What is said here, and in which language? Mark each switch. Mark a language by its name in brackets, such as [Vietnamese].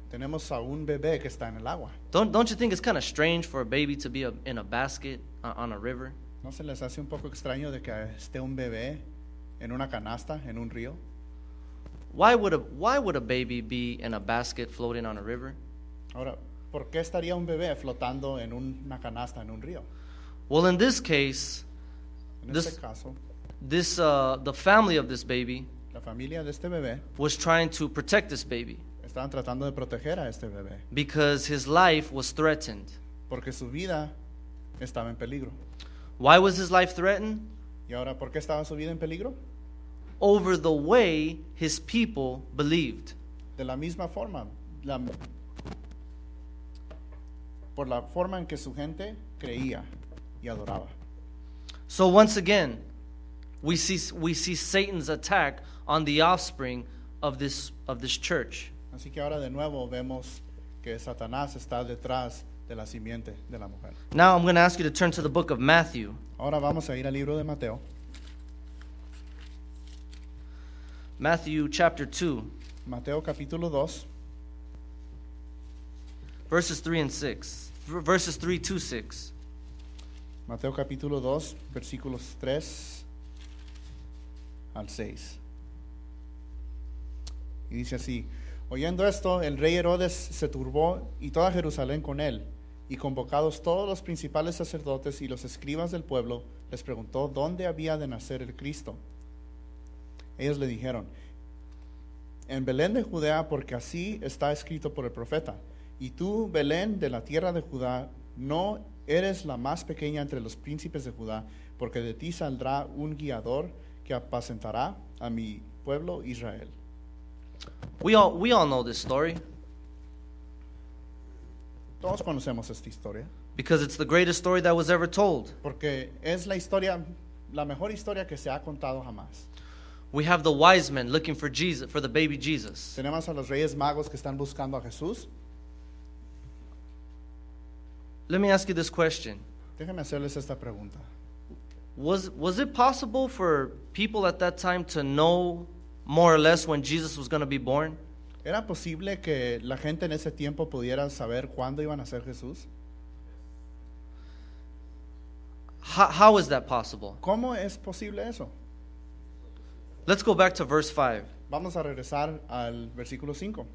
[Spanish] Tenemos a un bebé que está en el agua. [English] Don't you think it's kind of strange for a baby to be in a basket on a river? [Spanish] ¿No se les hace un poco extraño de que esté un bebé en una canasta en un río? [English] Why would a baby be in a basket floating on a river? [Spanish] Ahora, ¿por qué estaría un bebé flotando en una canasta en un río? [English] Well, in this case, the family of this baby, [Spanish] la familia de este bebé, [English] was trying to protect this baby. [Spanish] Estaban tratando de proteger a este bebé. [English] Because his life was threatened. [Spanish] Porque su vida estaba en peligro. [English] Why was his life threatened? [Spanish] ¿Y ahora por qué estaba su vida en peligro? [English] Over the way his people believed. [Spanish] De la misma forma, por la forma en que su gente creía y adoraba. [English] So once again, we see Satan's attack on the offspring of this church. [Spanish] Así que ahora de nuevo vemos que Satanás está detrás de la simiente de la mujer. [English] Now I'm going to ask you to turn to the book of Matthew. [Spanish] Ahora vamos a ir al libro de Mateo. [English] Matthew chapter 2. [Spanish] Mateo capítulo 2. [English] Verses 3 and 6. Verses 3 to 6. [Spanish] Mateo capítulo 2, versículos 3 al 6. Y dice así: oyendo esto, el rey Herodes se turbó y toda Jerusalén con él, y convocados todos los principales sacerdotes y los escribas del pueblo, les preguntó dónde había de nacer el Cristo. Ellos le dijeron: en Belén de Judea, porque así está escrito por el profeta: y tú, Belén, de la tierra de Judá, no eres la más pequeña entre los príncipes de Judá, porque de ti saldrá un guiador que apacentará a mi pueblo Israel. [English] We all know this story. [Spanish] Todos conocemos esta historia. [English] Because it's the greatest story that was ever told. [Spanish] Porque es la mejor historia que se ha contado jamás. [English] We have the wise men looking for Jesus, for the baby Jesus. [Spanish] Tenemos a los reyes magos que están buscando a Jesús. [English] Let me ask you this question. [Spanish] Déjeme hacerles esta pregunta. [English] Was it possible for people at that time to know more or less when Jesus was going to be born? [Spanish] ¿Era posible que la gente en ese tiempo pudiera saber cuándo iban a ser Jesús? [English] How is that possible? [Spanish] ¿Cómo es posible eso? [English] Let's go back to verse 5. [Spanish] Vamos a regresar al versículo 5.